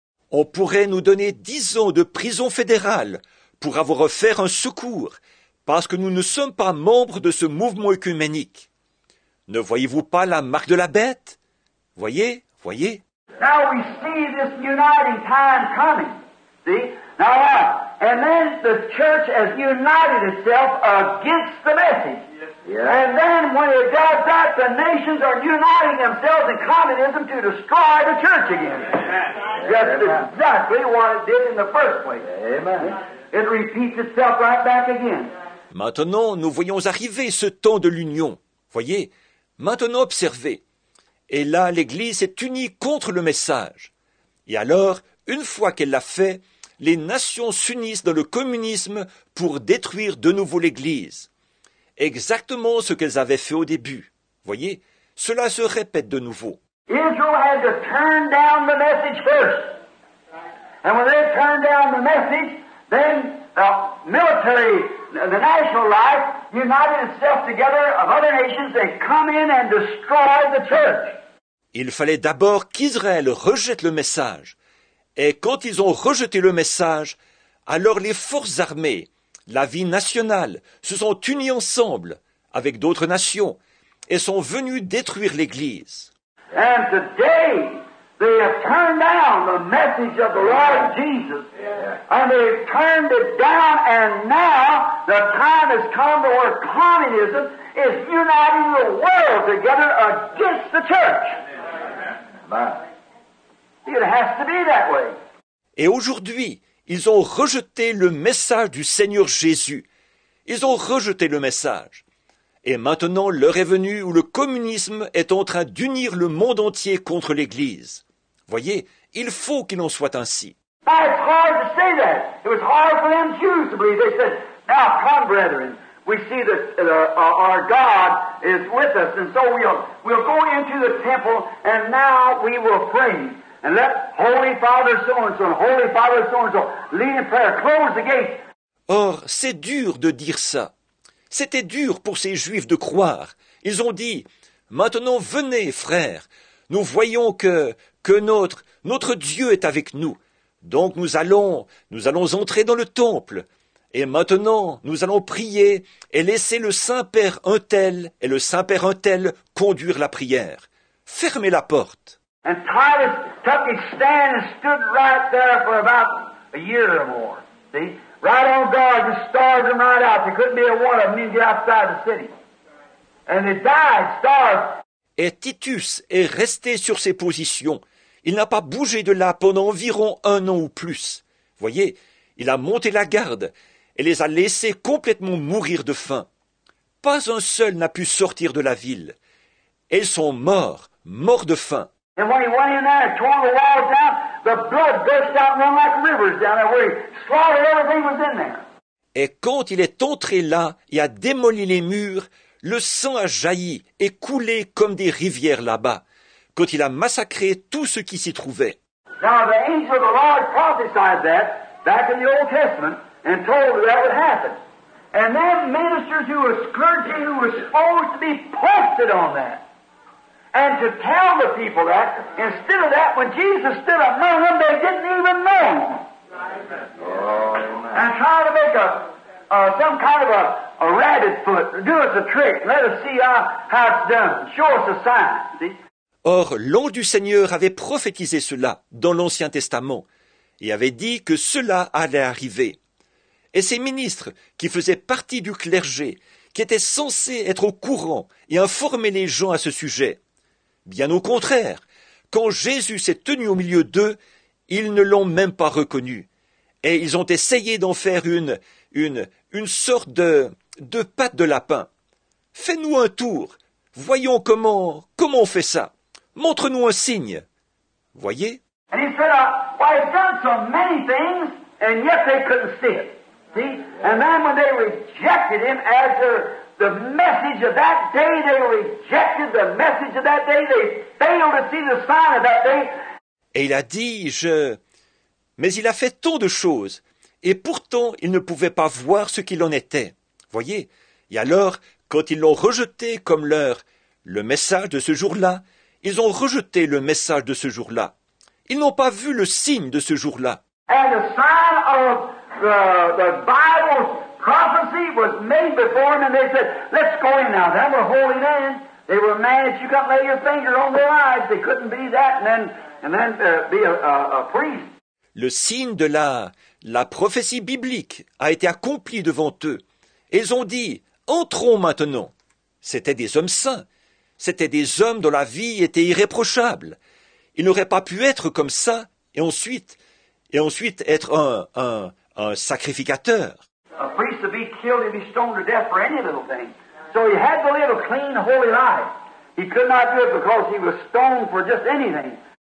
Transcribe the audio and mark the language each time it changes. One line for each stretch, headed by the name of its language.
French: On pourrait nous donner 10 ans de prison fédérale pour avoir offert un secours, parce que nous ne sommes pas membres de ce mouvement œcuménique. Ne voyez-vous pas la marque de la bête? Voyez, voyez.
English: Now we see this uniting time coming. See? Now what? And then the church has united itself against the message. Yes. And then when it does that, the nations are uniting themselves in communism to destroy the church again. Yes. That's Amen. Exactly what it did in the first place. Amen. It repeats itself right back again.
French: Maintenant, nous voyons arriver ce temps de l'union. Voyez, maintenant observez. Et là, l'Église est unie contre le message. Et alors, une fois qu'elle l'a fait, les nations s'unissent dans le communisme pour détruire de nouveau l'Église. Exactement ce qu'elles avaient fait au début. Voyez, cela se répète de nouveau.
English: Israël had to turn down the message first. And when they turned down the message, then the military, the national life, united itself together of other nations and come in and destroy the church.
French: Il fallait d'abord qu'Israël rejette le message. Et quand ils ont rejeté le message, alors les forces armées, la vie nationale, se sont unies ensemble avec d'autres nations et sont venues détruire l'Église.
English: And today, they have turned down the message of the Lord Jesus. Yeah. And they've turned it down, and now the time has come to where communism is uniting the world together against the church. Amen. It has to be that way.
French: Et aujourd'hui, ils ont rejeté le message du Seigneur Jésus. Ils ont rejeté le message. Et maintenant, l'heure est venue où le communisme est en train d'unir le monde entier contre l'Église. Voyez, il faut qu'il en soit ainsi.
English: It's hard to say that. It was hard for them Jews to believe. They said, now come, brethren, we see that our God is with us, and so we'll go into the temple, and now we will pray. And let Holy Father so-and-so, Holy Father so-and-so, lead in prayer, close the gate.
French: Or, c'est dur de dire ça. C'était dur pour ces Juifs de croire. Ils ont dit, « Maintenant, venez, frères. Nous voyons que notre Dieu est avec nous. Donc, nous allons entrer dans le temple. Et maintenant, nous allons prier et laisser le Saint-Père un tel et le Saint-Père un tel conduire la prière. Fermez la porte. »
English: And Titus took his stand and stood right there for about a year or more. See? Right on guard, just starved them right out. There couldn't be a one of them in the outside the city. And they died, starved.
French: Et Titus est resté sur ses positions. Il n'a pas bougé de là pendant environ un an ou plus. Voyez, il a monté la garde et les a laissés complètement mourir de faim. Pas un seul n'a pu sortir de la ville. Et ils sont morts, morts de faim.
English: And when he went in there and tore the walls down, the blood burst out and ran like rivers down there where he slaughtered everything that was in there.
French: Et quand il est entré là et a démoli les murs, le sang a jailli et coulé comme des rivières là-bas, quand il a massacré tout ce qui s'y trouvait.
English: Now the angel of the Lord prophesied that back in the Old Testament and told that that would happen. And then ministers who were clergy who were supposed to be posted on that. And to tell the people that, instead of that, when Jesus stood up among them, they didn't even know. Amen. And try to make some kind of a rabbit foot, do us a trick, let us see how it's done, show us a sign. See?
French: Or, l'ange du Seigneur avait prophétisé cela dans l'Ancien Testament et avait dit que cela allait arriver. Et ces ministres qui faisaient partie du clergé, qui étaient censés être au courant et informer les gens à ce sujet, bien au contraire, quand Jésus s'est tenu au milieu d'eux, ils ne l'ont même pas reconnu. Et ils ont essayé d'en faire une sorte de patte de lapin. Fais-nous un tour. Voyons comment on fait ça. Montre-nous un signe. Voyez.
English: And he said, well, I've done so many things, and yet they couldn't see it. See? And then when they rejected him as their... The message of that day, they rejected the message of that day. They failed to see the sign of that day.
French: Et il a dit, mais il a fait tant de choses, et pourtant ils ne pouvaient pas voir ce qu'il en était. Voyez, et alors, quand ils l'ont rejeté comme leur, le message de ce jour-là, ils ont rejeté le message de ce jour-là. Ils n'ont pas vu le signe de ce jour-là.
English: And the sign of the Bible's prophecy was made before them, and they said, let's go in now. That was a holy man. They were mad that you got to lay your finger on their eyes. They couldn't be that and then be a priest.
French: Le signe de la prophétie biblique a été accompli devant eux. Ils ont dit, entrons maintenant. C'étaient des hommes saints. C'étaient des hommes dont la vie était irréprochable. Ils n'auraient pas pu être comme ça et ensuite être un sacrificateur.
English: A priest to be killed and be stoned to death for any little thing. So he had to live a clean, holy life. He could not do it because he was stoned for just anything.